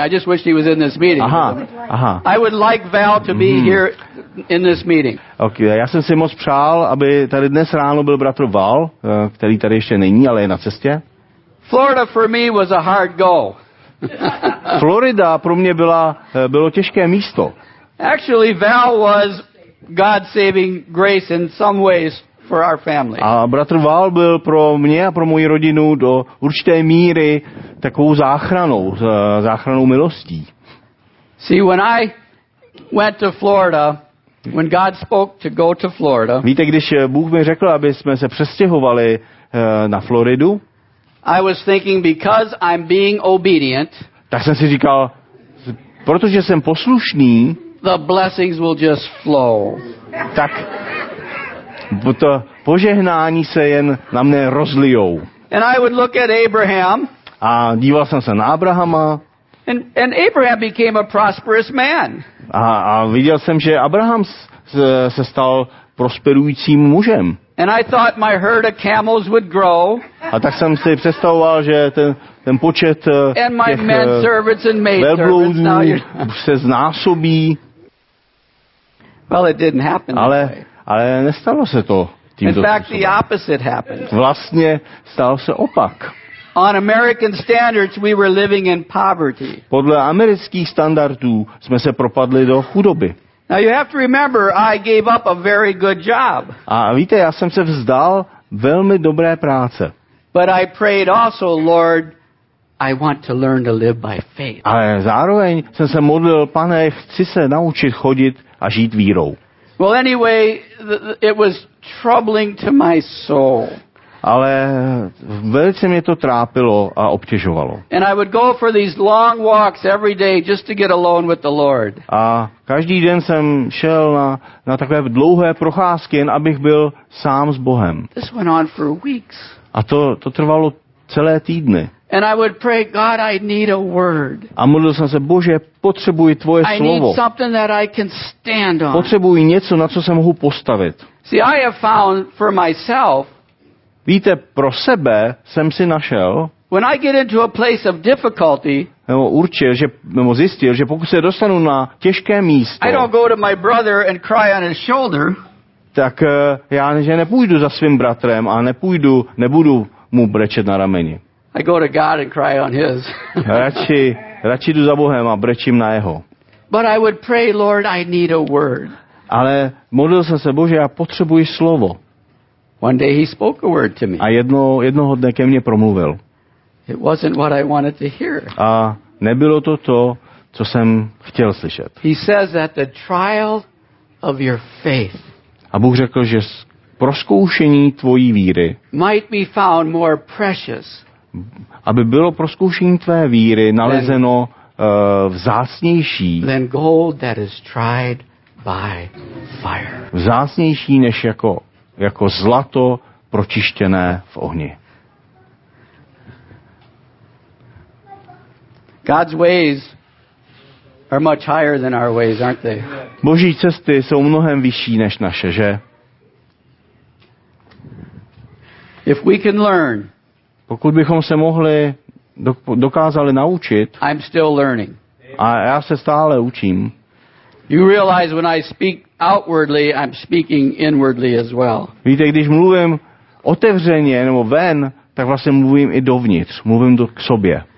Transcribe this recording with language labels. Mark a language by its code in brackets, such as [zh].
[en] I just wish he was in this meeting. Aha. I would like Val to be here in this meeting. [cs] Okay, já jsem si moc přál, aby tady dnes ráno byl bratr Val, který tady ještě není, ale je na cestě. [en] Florida for me was a hard go. [cs] Florida pro mě bylo těžké místo. [en] Actually, Val was God's saving grace in some ways. For our family. [cs] A bratr Val byl pro mě a pro moji rodinu do určité míry takovou záchranou milostí. [en] See, when I went to Florida, when God spoke to go to Florida. [cs] Víte, když Bůh mi řekl, aby jsme se přestěhovali na Floridu? [en] I was thinking because I'm being obedient. [cs] Tak jsem si říkal, protože jsem poslušný, [en] the blessings will just flow. [cs] Tak to požehnání se jen na mne rozlijou. [en] And I would look at Abraham. [cs] A díval jsem se na Abrahama. [en] And Abraham became a prosperous man. [cs] A viděl jsem, že Abraham se stal prosperujícím mužem. [en] And I thought my herd of camels would grow. [cs] A tak jsem si představoval, že ten počet [en] and my [cs] těch [en] men servants and maid servants [cs] se znásobí. [en] Well, it didn't happen. [cs] Ale nestalo se to tímto způsobem. [en] In fact, the opposite happened. [cs] Vlastně stalo se opak. [en] On American standards, we were living in poverty. [cs] Podle amerických standardů jsme se propadli do chudoby. [en] Now you have to remember, I gave up a very good job. [cs] A víte, já jsem se vzdal velmi dobré práce. [en] But I prayed also, Lord, I want to learn to live by faith. [cs] A zároveň jsem se modlil, Pane, chci se naučit chodit a žít vírou. [en] Well, anyway, it was troubling to my soul. [cs] Ale velice mě to trápilo a obtěžovalo. [en] And I would go for these long walks every day just to get alone with the Lord. [cs] A každý den jsem šel na takové dlouhé procházky, jen abych byl sám s Bohem. [en] This went on for weeks. [cs] A to trvalo celé týdny. [en] And I would pray, God, I need a word. [cs] A modlil jsem se, Bože, potřebuji tvoje slovo. [en] I need something that I can stand on. [cs] Potřebuji něco, na co se mohu postavit. [en] See, I have found for myself. [cs] Víte, pro sebe jsem si našel. [en] When I get into a place of difficulty. [cs] Zjistil, že pokud se dostanu na těžké místo. [en] I don't go to my brother and cry on his shoulder. [cs] Tak já že nepůjdu za svým bratrem a nebudu mu brečet na rameni. [en] I go to God and cry on his. [cs] Radši jdu za Bohem a brečím na jeho. [en] But I would pray, Lord, I need a word. [cs] Ale modlil jsem se, Bože, já potřebuji slovo. [en] One day he spoke a word to me. [cs] A jednoho dne ke mně promluvil. [en] It wasn't what I wanted to hear. [cs] A nebylo to, co jsem chtěl slyšet. [en] He says that the trial of your faith. [cs] A Bůh řekl, že prozkoušení tvojí víry [en] might be found more precious. [cs] Aby bylo prozkoušení tvé víry nalezeno vzácnější. [en] Than gold that is tried by fire. [cs] Vzácnější než jako zlato pročištěné v ohni. [en] God's ways are much higher than our ways, aren't they? [cs] Boží cesty jsou mnohem vyšší než naše, že? [en] If we can learn. [cs] Pokud bychom se mohli dokázali naučit. [en] I'm still learning. [cs] A já se stále učím. [en] You realize when I speak outwardly, I'm speaking inwardly as well. [cs] Víte, když mluvím otevřeně nebo ven, tak vlastně mluvím i dovnitř, mluvím k sobě.